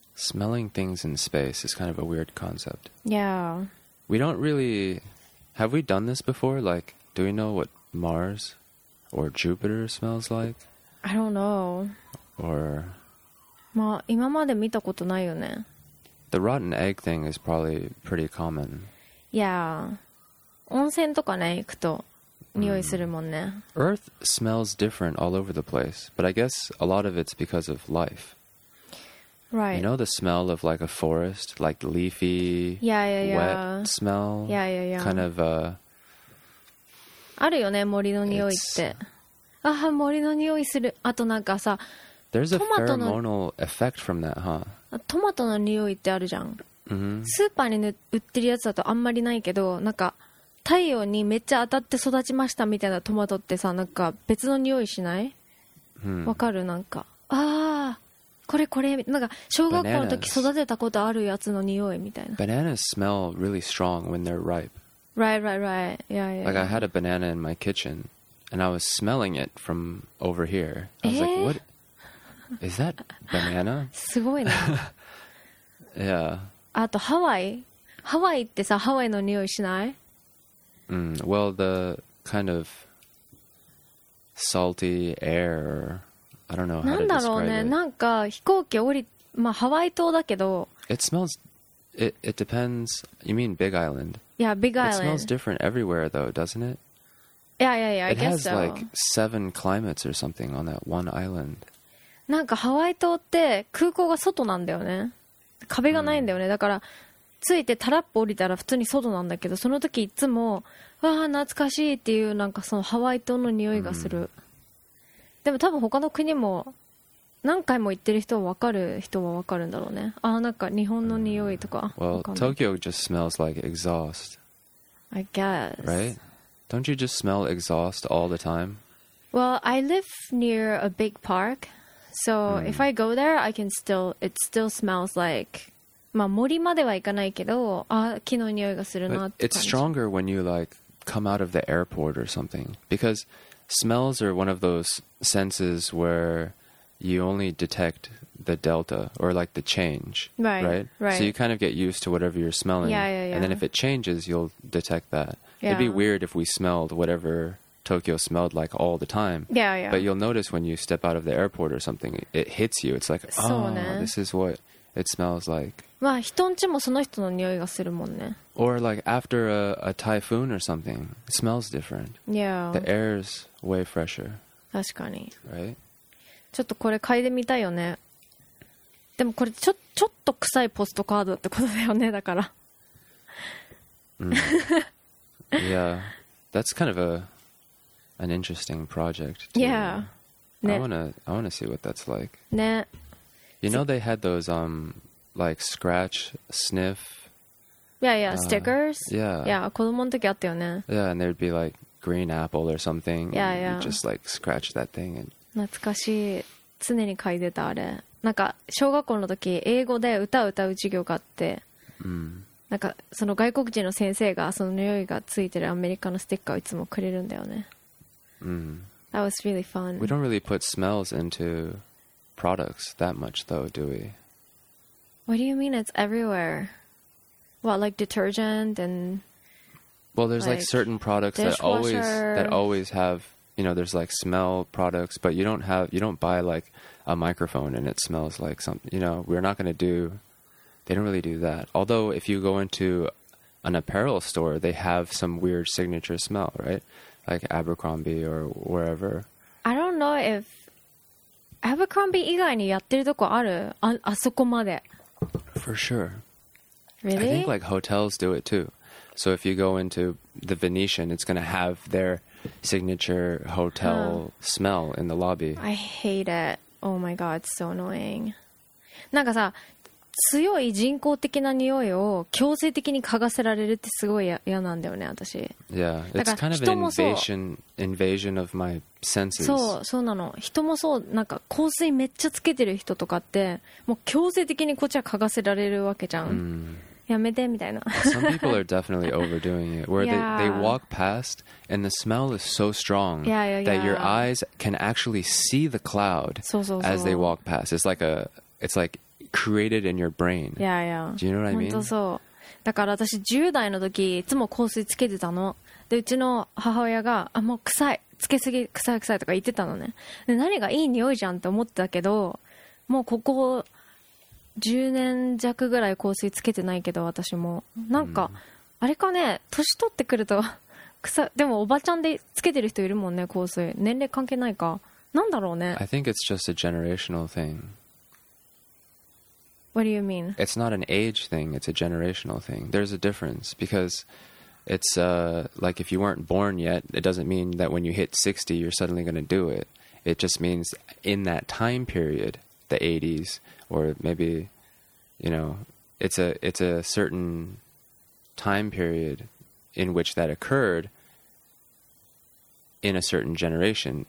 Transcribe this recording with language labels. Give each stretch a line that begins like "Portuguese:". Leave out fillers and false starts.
English: Smelling things in space is kind of a weird concept. Yeah. We don't really... Have we done this before? Like, do we know what Mars or Jupiter smells like? I don't know. Or...
Japanese: まあ今まで見たことないよね。
English: The rotten egg thing is probably pretty common. Yeah.
Japanese: 温泉とかね行くと匂いするもんね。
English: Earth smells different all over the place, but I guess a lot of it's because of life. Right. You know the smell of like a forest, like leafy, wet smell? Kind of a...
Japanese: あるよね、森の匂いって。ああ、森の匂いする。あとなんかさ、
English: There's a pheromonal effect from that, huh?
Japanese: トマトの匂いってあるじゃん。スーパーに売ってるやつだとあんまりないけど、なんか太陽にめっちゃ当たって育ちましたみたいなトマトってさ、なんか別の匂いしない？わかる？なんかああこれこれ、なんか小学校の時育てたことあるやつの匂いみたいな。
English: Bananas smell really strong when they're ripe. Right. Like I had a banana in my kitchen and I was smelling it from over here. I was like, what? Is that banana?
Japanese: すごいな。
English: Yeah.
Japanese: あとハワイってさ、ハワイの匂いしない？
English: Well, the kind of salty air, I don't know how to describe it.
Japanese: なんか飛行機降り、まあハワイ島だけど。
English: It smells, it depends, you mean Big Island? Yeah, Big Island. It smells different everywhere though, doesn't it? Yeah, I guess so. It has like 7 climates or something on that one island.
Japanese: なんかハワイ島って空港が外なんだよね。壁がないんだよね、だから。ついてタラップ降りたら普通に外なんだけど、その時いつもわあ懐かしいっていう、なんかそのハワイ島の匂いがする、でも多分他の国も何回も行ってる人は分かる人は分かるんだろうね。あーなんか日本の匂いとか、
English: Well, Tokyo just smells like exhaust, I guess. Right? Don't you just smell exhaust all the time? Well, I live near a big park, So if I go there, I can still, it still smells like,
Japanese: まあ森までは行かないけど、あ、木の匂いがするなって感じ。
English: It's stronger when you like come out of the airport or something. Because smells are one of those senses where you only detect the delta or like the change. Right. So you kind of get used to whatever you're smelling. Yeah. And then if it changes, you'll detect that. Yeah. It'd be weird if we smelled whatever Tokyo smelled like all the time. Yeah. But you'll notice when you step out of the airport or something, it hits you. It's like, oh, this is what it smells like.
Japanese: まあ、人んちもその人の匂いがするもんね。
English: Or like after a typhoon or something, it smells different. Yeah. The air is way fresher.
Japanese: 確かに。
English: Right?
Japanese: ちょっとこれ嗅いでみたいよね。でもこれちょっと臭いポストカードってことだよね、だから。
English: Yeah, that's kind of an interesting project. Yeah.
Japanese: ね。
English: I wanna see what that's like.
Japanese: ね。
English: You know they had those like scratch sniff. Yeah, stickers. Yeah.
Japanese: 子供の時あったよね。
English: Yeah, and there'd be like green apple or something. Yeah, and You'd just like scratch that thing. And...
Japanese: 懐かしい。常に嗅いでたあれ。なんか小学校の時英語で歌う授業があって。うん。なんかその外国人の先生がその匂いがついてるアメリカのステッカーをいつもくれるんだよね。うん。
English: That was really fun. We don't really put smells into products that much though, do we? What do you mean it's everywhere? What, like detergent and... Well, there's like certain products that always have, you know, there's like smell products, but you don't buy like a microphone and it smells like something, you know, we're not going to do, they don't really do that. Although if you go into an apparel store, they have some weird signature smell, right? Like Abercrombie or wherever. I don't know if Abercrombie
Japanese: 以外にやってるとこある? あそこまで。
English: For sure. Really? I think like hotels do it too. So if you go into the Venetian, it's going to have their signature hotel smell in the lobby. I hate it. Oh my god, so annoying.
Japanese: なんかさ、強い人工的な匂いを強制的に嗅がせられるってすごい嫌なんだよね、私。
English: Yeah, it's kind of an invasion of my senses.
Japanese: そう、そうなの。人もそう、なんか香水めっちゃつけてる人とかって、もう強制的にこっちは嗅がせられるわけじゃん。 Mm. やめてみたいな。
English: Some people are definitely overdoing it, where they walk past and the smell is so strong that your eyes can actually see the cloud as they walk past. It's like created in your brain. Yeah, yeah. Do you know what I mean?
Japanese: 本当そう。だから私10代の時いつも香水つけてたの。でうちの母親が、あ、もう臭い、つけすぎ、臭いとか言ってたのね。で何がいい匂いじゃんって思ってたけど、もうここ10年弱ぐらい香水つけてないけど私もなんか、あれかね、年取ってくると臭い。でもおばちゃんでつけてる人いるもんね、香水。年齢関係ないか、なんだろうね。
English: I think it's just a generational thing. What do you mean? It's not an age thing, it's a generational thing. There's a difference because it's like if you weren't born yet, it doesn't mean that when you hit 60 you're suddenly going to do it. It just means in that time period, the 80s, or maybe, you know, it's a certain time period in which that occurred in a certain generation.